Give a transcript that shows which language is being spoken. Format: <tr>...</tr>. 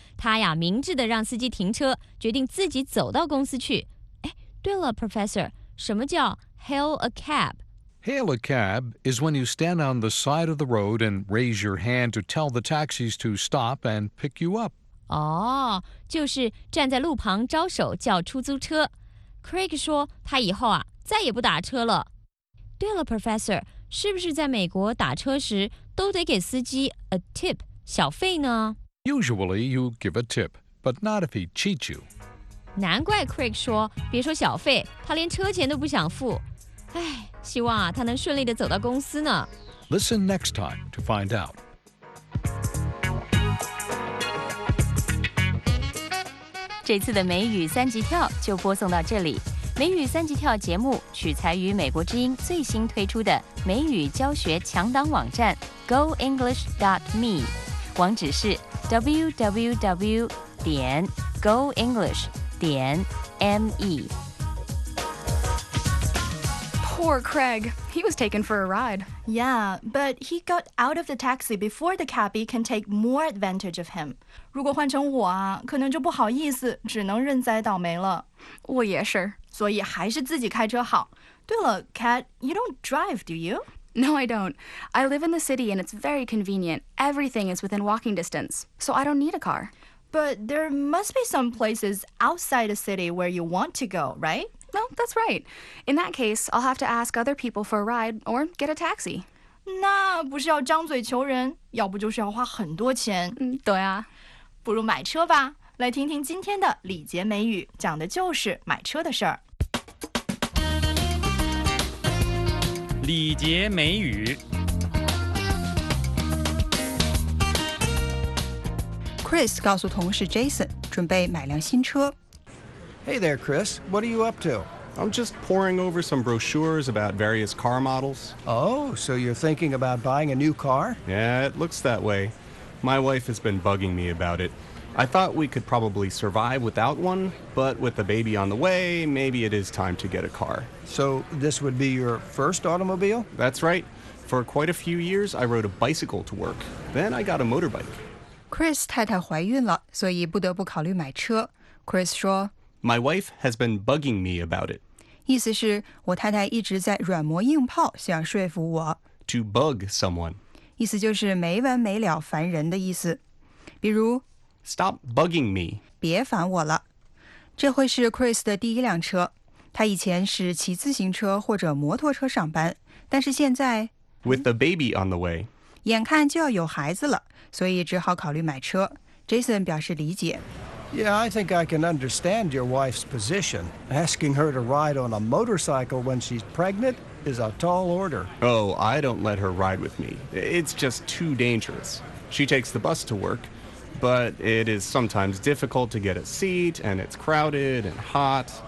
<zh>他呀明智地让司机停车决定自己走到公司去。哎对了 ,Professor, 什么叫 hail a cab?</zh> <en>Hail a cab is when you stand on the side of the road and raise your hand to tell the taxis to stop and pick you up.</en> <zh>哦就是站在路旁招手叫出租车。Craig 说他以后啊再也不打车了。对了 Professor， 是不是在美国打车时都得给司机</zh> <en>a tip</en> <zh>小费呢？</zh> <en>Usually you give a tip, but not if he cheats you.</en> <zh>难怪 Craig 说别说小费，他连车钱都不想付。哎，希望啊他能顺利的走到公司呢。</zh> <en>Listen next time to find out.</en> <zh>这次的美语三级跳就播送到这里。美语三级跳节目取材于美国之音最新推出的美语教学强档网站 goenglish.me， 网址是 www.goenglish.me。</zh> <en>Poor Craig. He was taken for a ride. Yeah, but he got out of the taxi before the cabbie can take more advantage of him.</en> <zh>如果换成我啊，可能就不好意思，只能认栽倒霉了。我也是。所以还是自己开车好。对了 ，Kat,</zh> <en>you don't drive, do you? No, I don't. I live in the city and it's very convenient. Everything is within walking distance, so I don't need a car. But there must be some places outside the city where you want to go, right? No, that's right. In that case, I'll have to ask other people for a ride or get a taxi.</en> <zh>那不是要张嘴求人，要不就是要花很多钱。对啊，不如买车吧。来听听今天的礼节美语，讲的就是买车的事儿。礼节美语。 Chris 告诉同事 Jason， 准备买辆新车。</zh> <en>Hey there, Chris. What are you up to? I'm just poring over some brochures about various car models. Oh, so you're thinking about buying a new car? Yeah, it looks that way. My wife has been bugging me about it. I thought we could probably survive without one, but with the baby on the way, maybe it is time to get a car. So this would be your first automobile? That's right. For quite a few years, I rode a bicycle to work. Then I got a motorbike.</en> <zh>Chris 太太怀孕了，所以不得不考虑买车。Chris 说</zh> <en>My wife has been bugging me about it.</en> <zh>意思是我太太一直在软磨硬泡想说服我。</zh> <en>To bug someone.</en> <zh>意思就是没完没了烦人的意思。比如</zh> <en>Stop bugging me.</en> <zh>别烦我了。这会是 Chris 的第一辆车。他以前是骑自行车或者摩托车上班。但是现在</zh> <en>With the baby on the way.</en> <zh>眼看就要有孩子了，所以只好考虑买车。 Jason 表示理解。</zh> <en>Yeah, I think I can understand your wife's position. Asking her to ride on a motorcycle when she's pregnant is a tall order. Oh, I don't let her ride with me. It's just too dangerous. She takes the bus to work, but it is sometimes difficult to get a seat, and it's crowded and hot.</en>